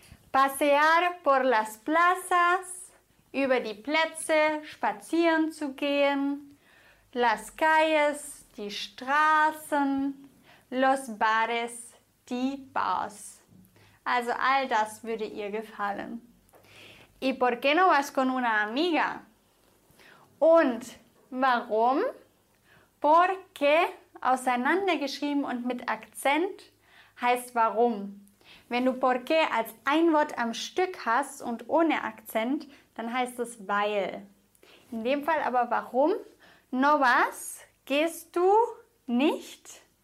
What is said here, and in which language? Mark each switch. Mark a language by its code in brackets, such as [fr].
[es] Pasear por las plazas, [de] über die Plätze spazieren zu gehen, [es] las calles, [de] die Straßen, [es] los bares, [de] die Bars. Also all das würde ihr gefallen. [es] ¿Y por qué no vas con una amiga? [de] Und warum? [es] ¿Por qué? [de] Auseinandergeschrieben und mit Akzent heißt warum. Wenn du por qué als ein Wort am Stück hast und ohne Akzent, dann heißt es weil. In dem Fall aber warum? [es] No vas, [de] gehst du nicht.